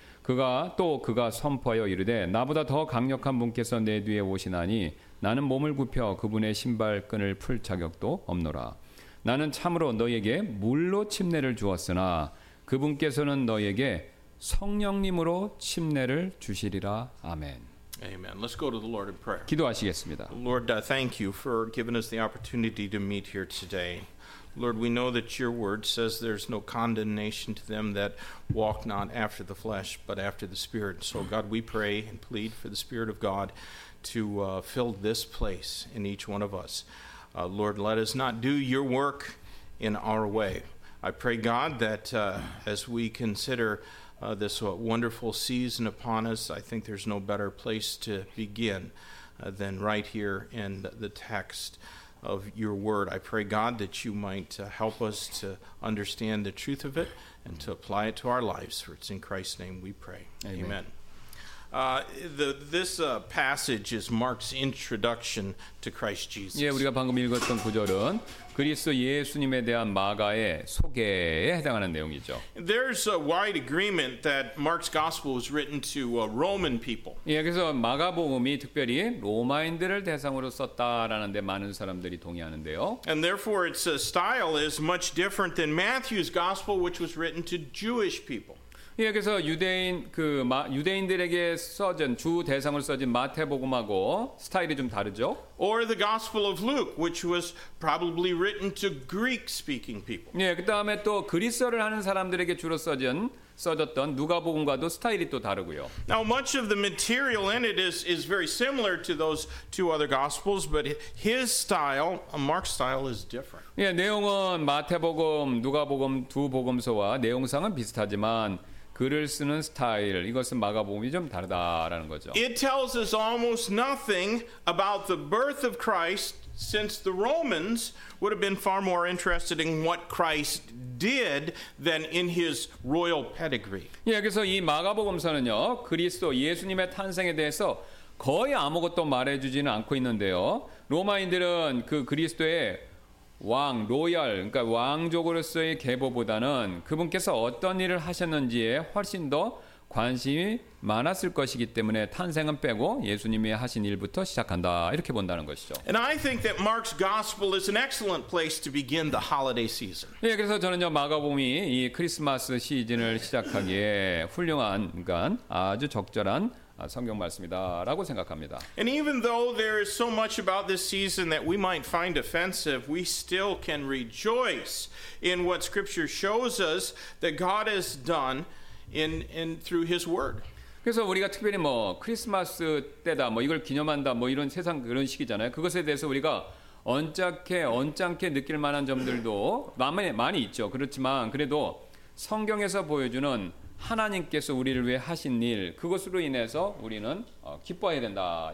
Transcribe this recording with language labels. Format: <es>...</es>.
<ko>그가 선포하여 이르되 나보다 더 강력한 분께서 내 뒤에 오시나니 나는 몸을 굽혀 그분의 신발끈을 풀 자격도 없노라. 나는 참으로 너희에게 물로 침례를 주었으나 그분께서는 너희에게 성령님으로 침례를 주시리라. 아멘.</ko> <en>Amen. Let's go to the Lord in prayer.</en> <ko>기도하시겠습니다.</ko> <en>Lord, thank you for giving us the opportunity to meet here today. Lord, we know that your word says there's no condemnation to them that walk not after the flesh, but after the spirit. So God, we pray and plead for the spirit of God to fill this place in each one of us. Lord, let us not do your work in our way. I pray, God, that as we consider this wonderful season upon us, I think there's no better place to begin than right here in the text of your word. I pray, God, that you might help us to understand the truth of it and to apply it to our lives. For it's in Christ's name we pray. Amen. Amen. This passage is Mark's introduction to Christ Jesus.</en> <ko>예, 우리가 방금 읽었던 구절은 그리스도 예수님에 대한 마가의 소개에 해당하는 내용이죠.</ko> <en>There's a wide agreement that Mark's gospel was written to Roman people.</en> <ko>예, 그래서 마가복음이 특별히 로마인들을 대상으로 썼다라는 데 많은 사람들이 동의하는데요.</ko> <en>And therefore its style is much different than Matthew's gospel, which was written to Jewish people.</en> <ko>예, 그래서 유대인들에게 써진 주 대상을 써진 마태복음하고 스타일이 좀 다르죠.</ko> <en>Or the Gospel of Luke, which was probably written to Greek-speaking people.</en> <ko>예, 그다음에 또 그리스어를 하는 사람들에게 주로 써졌던 누가복음과도 스타일이 또 다르고요.</ko> <en>Now much of the material in it is very similar to those two other gospels, but his style, Mark's style, is different.</en> <ko>예, 내용은 마태복음, 누가복음 두 복음서와 내용상은 비슷하지만 글을 쓰는 스타일, 이것은 마가복음이 좀 다르다라는 거죠.</ko> <en>It tells us almost nothing about the birth of Christ, since the Romans would have been far more interested in what Christ did than in his royal pedigree.</en> <ko>예, 그래서 이 마가복음서는요, 그리스도 예수님의 탄생에 대해서 거의 아무것도 말해주지는 않고 있는데요. 로마인들은 그 그리스도의 왕, 로얄, 그러니까 왕족으로서의 계보보다는 그분께서 어떤 일을 하셨는지에 훨씬 더 관심이 많았을 것이기 때문에 탄생은 빼고 예수님이 하신 일부터 시작한다 이렇게 본다는 것이죠.</ko> <en>And I think that Mark's gospel is an excellent place to begin the holiday season.</en> <ko>예, 그래서 저는요 마가복음이 이 크리스마스 시즌을 시작하기에 훌륭한 간 아주 적절한 성경 말씀이다라고 생각합니다.</ko> <en>And even though there is so much about this season that we might find offensive, we still can rejoice in what Scripture shows us that God has done in through His Word.</en> <ko>그래서 우리가 특별히 뭐 크리스마스 때다, 뭐 이걸 기념한다, 뭐 이런 세상 그런 식이잖아요. 그것에 대해서 우리가 언짢게 느낄 만한 점들도 많이 있죠. 그렇지만 그래도 성경에서 보여주는 하나님께서 우리를 위해 하신 일 그것으로 인해서 우리는 기뻐해야 된다.</ko>